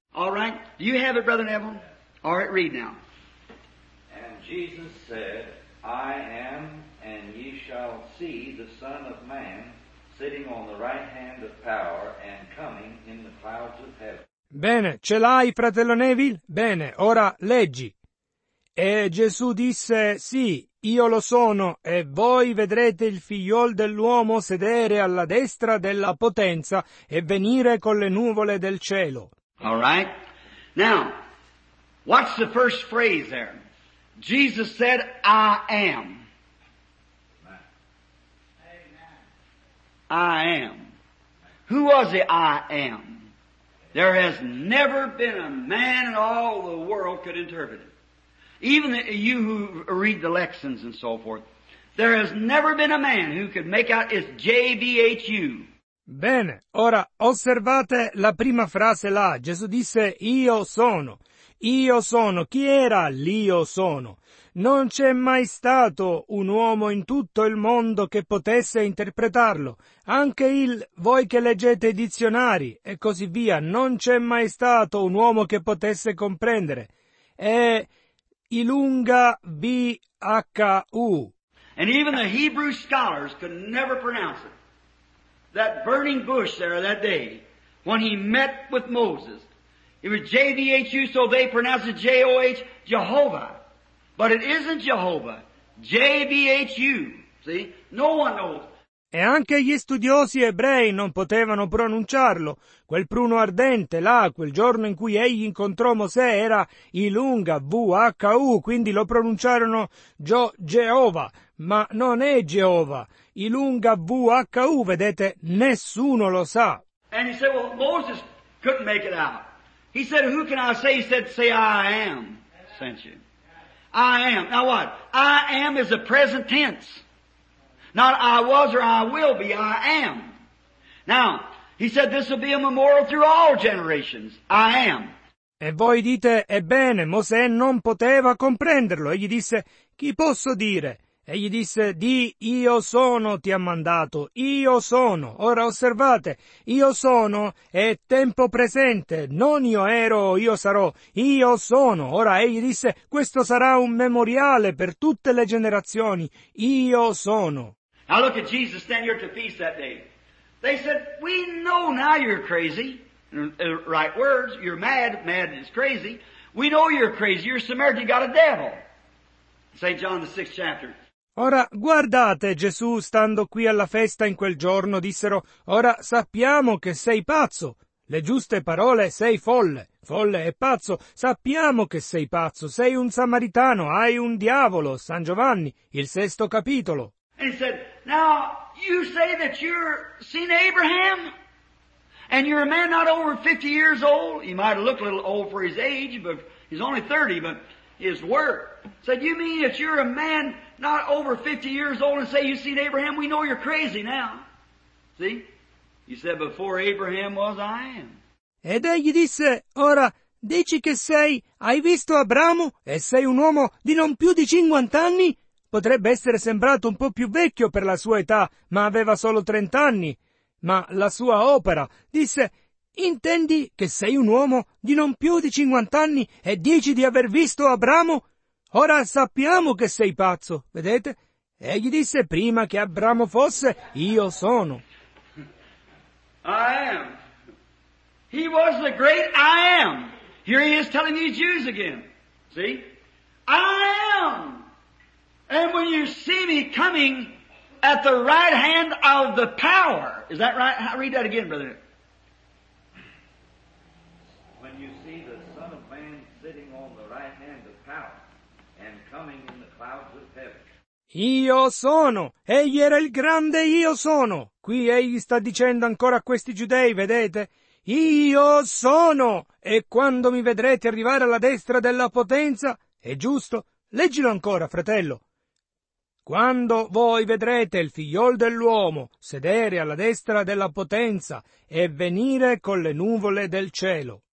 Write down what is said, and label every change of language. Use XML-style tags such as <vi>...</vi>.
<en>All right, do you have it, brother Neville? All right, read now. And Jesus said, I am, and ye shall see the Son of Man sitting on the right hand of power and coming in the clouds of heaven.</en> <it>Bene, ce l'hai, fratello Neville? Bene, ora leggi. E Gesù disse, sì, io lo sono, e voi vedrete il figliol dell'uomo sedere alla destra della potenza e venire con le nuvole del cielo.</it> <en>All right. Now, what's the first phrase there? Jesus said, I am. I am. Who was the I am? There has never been a man in all the world could interpret it. Even you who read the lexicons and so forth, there has never been a man who could make out it's J-V-H-U.</en> <it>Bene, ora osservate la prima frase là. Gesù disse, io sono. Io sono. Chi era l'io sono? Non c'è mai stato un uomo in tutto il mondo che potesse interpretarlo. Anche il voi che leggete i dizionari e così via, non c'è mai stato un uomo che potesse comprendere. E I lunga B-H-U.</it> <en>And even the Hebrew scholars could never pronounce it. That burning bush there that day, when he met with Moses, it was J-V-H-U, so they pronounced it J-O-H, Jehovah. But it isn't Jehovah, J-V-H-U, see? No one knows.</en> <it>E anche gli studiosi ebrei non potevano pronunciarlo. Quel pruno ardente là, quel giorno in cui egli incontrò Mosè, era Ilunga, V-H-U, quindi lo pronunciarono Jehova, ma non è Jehova. Ilunga, V-H-U, vedete, nessuno lo sa.</it> <en>And he said, well, Moses couldn't make it out. He said, who can I say? He said, say, I am, sent you. I am. Now what? I am is a present tense. Not I was or I will be, I am. Now, he said this will be a memorial through all generations. I am.</en> <it>E voi dite, ebbene, Mosè non poteva comprenderlo. Egli disse, chi posso dire? Egli disse, di io sono ti ha mandato. Io sono. Ora osservate, io sono è tempo presente. Non io ero, io sarò. Io sono. Ora egli disse, questo sarà un memoriale per tutte le generazioni. Io sono.</it> <en>Now look at Jesus standing here at the feast that day. They said, we know now you're crazy. Right words, you're mad, mad is crazy. We know you're crazy, you're Samaritan, you got a devil. St. John the 6th chapter.</en> <it>Ora guardate Gesù stando qui alla festa in quel giorno, dissero, ora sappiamo che sei pazzo. Le giuste parole, sei folle, folle e pazzo, sappiamo che sei pazzo, sei un samaritano, hai un diavolo, San Giovanni, il 6° capitolo.</it> <en>And he said, now, you say that you're seen Abraham, and you're a man not over 50 years old. He might have looked a little old for his age, but he's only 30, but his work. Said, you mean that you're a man not over 50 years old and say you've seen Abraham? We know you're crazy now. See? He said, before Abraham was, I am.</en> <it>Ed egli disse, ora, dici che sei, hai visto Abramo, e sei un uomo di non più di 50 anni? Potrebbe essere sembrato un po' più vecchio per la sua età, ma aveva solo 30 anni. Ma la sua opera, disse, intendi che sei un uomo di non più di 50 anni e dici di aver visto Abramo? Ora sappiamo che sei pazzo, vedete? Egli disse, prima che Abramo fosse, io sono.</it> <en>I am. He was the great I am. Here he is telling you Jews again. See? I am. And when you see me coming at the right hand of the power, is that right? I'll read that again, brother. When you see the Son of Man sitting on the right hand of power and coming in the clouds of heaven.</en> <it>Io sono. Egli era il grande io sono. Qui egli sta dicendo ancora a questi giudei, vedete? Io sono. E quando mi vedrete arrivare alla destra della potenza, è giusto? Leggilo ancora, fratello. Quando voi vedrete il figliol dell'uomo sedere alla destra della potenza e venire con le nuvole del cielo.</it>